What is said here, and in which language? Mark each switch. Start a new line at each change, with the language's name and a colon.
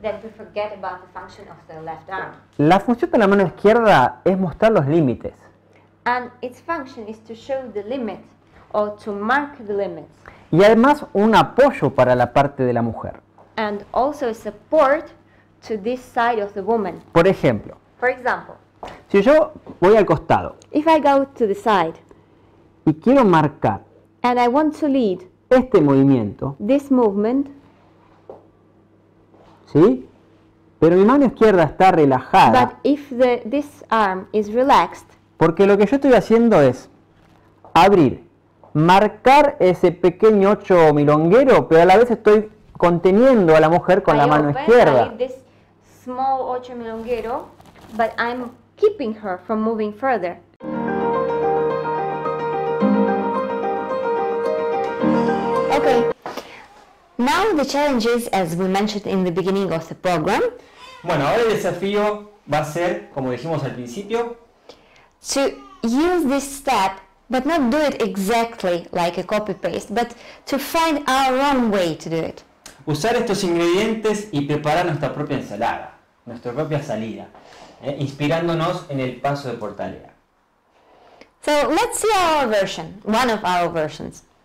English: That we forget about the function of the left arm.
Spanish: La función de la mano izquierda es mostrar los límites.
English: And its function is to show the limit or to mark the limits.
Spanish: Y además un apoyo para la parte de la mujer.
English: And also a support to this side of the woman.
Spanish: Por ejemplo.
English: For example.
Spanish: Si yo voy al costado.
English: If I go to the side.
Spanish: Y quiero marcar.
English: And I want to lead.
Spanish: Este movimiento.
English: This movement.
Spanish: ¿Sí? Pero mi mano izquierda está relajada.
English: But if this arm is relaxed.
Spanish: Porque lo que yo estoy haciendo es abrir, marcar ese pequeño ocho milonguero, pero a la vez estoy conteniendo a la mujer con la mano izquierda.
English: This small ocho milonguero, but I'm keeping her from moving further. Okay. Now the challenge is, as we mentioned in the beginning of the program.
Spanish: Bueno, ahora el desafío va a ser, como dijimos al principio,
English: to use this step, but not do it exactly like a copy paste, but to find our own way to do it.
Spanish: Usar estos ingredientes y preparar nuestra propia ensalada, nuestra propia salida, inspirándonos en el paso de Portalea.
English: So let's see our version, one of our versions.